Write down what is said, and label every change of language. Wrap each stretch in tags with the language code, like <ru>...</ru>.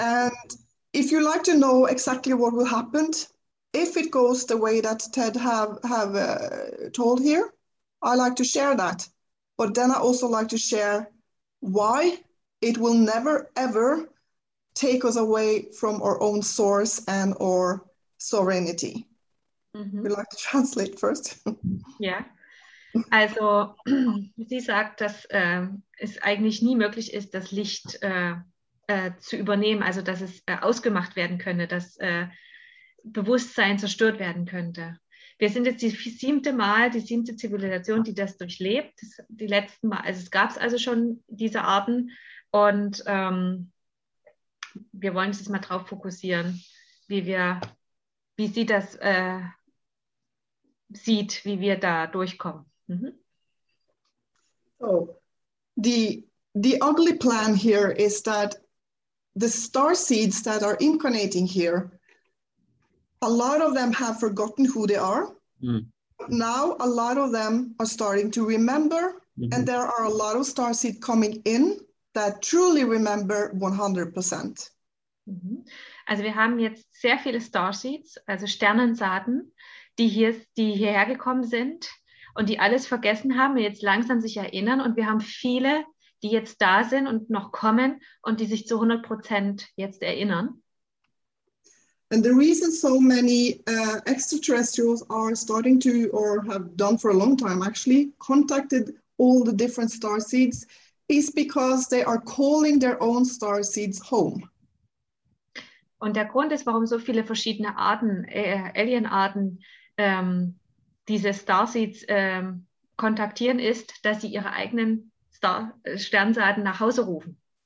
<en>And if you like to know exactly what will happen, if it goes the way that Ted have told here, I like to share that. But then I also like to share why it will never, ever take us away from our own source and our sovereignty. Mm-hmm. We'd like to translate first.</en> <de>Ja, also sie sagt, dass es eigentlich nie möglich ist, das Licht zu übernehmen, also dass es ausgemacht werden könnte, dass Bewusstsein zerstört werden könnte. Wir sind jetzt die siebte Zivilisation, die das durchlebt. Das, die letzten Mal, also es gab es also schon diese Arten und wir wollen uns jetzt mal drauf fokussieren, wie sie das sieht, wie wir da durchkommen.</de> <en>Mhm. So, the ugly plan here is that the star seeds that are incarnating here, a lot of them have forgotten who they are. Mm. Now a lot of them are starting to remember, mm-hmm. and there are a lot of star seed coming in that truly remember 100%.</en> <de>Also wir haben jetzt sehr viele Starseeds, also Sternensaaten, die hierher gekommen sind und die alles vergessen haben, die jetzt langsam sich erinnern. Und wir haben viele, die jetzt da sind und noch kommen und die sich zu 100% jetzt erinnern.</de> <en>And the reason so many extraterrestrials are starting to, or have done for a long time actually, contacted all the different Starseeds, is because they are calling their own Starseeds home.</en> <de>Und der Grund ist, warum so viele verschiedene Arten, Alien-Arten, diese Starseeds kontaktieren, ist, dass sie ihre eigenen Sternsaaten nach Hause rufen.</de>